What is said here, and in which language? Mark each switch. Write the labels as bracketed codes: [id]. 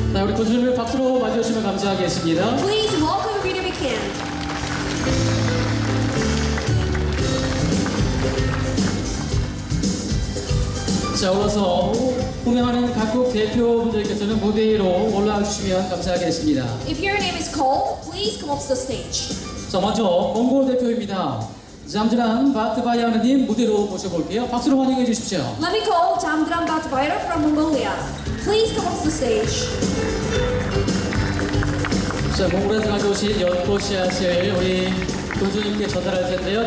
[ko] 네, 우리 교수님을 박수로 맞이하시면 감사하겠습니다. [en] Please welcome Rita McCann. [ko] 자, 오셔서 공연하는 각국 대표분들께서는 무대 위로 올라와주시면 감사하겠습니다. [en] If your name is called, please come up to the stage. [ko] 자, 먼저 몽골 대표입니다. 잠드란 바트바이아르님 무대로 모셔볼게요. 박수로 환영해 주십시오. [en] Let me call Jamdran Batbayar from Mongolia. Please come up to the stage. [ko] 자, 몽골에서 가져오신 연꽃 씨앗을 우리 교수님께 전달할 텐데요.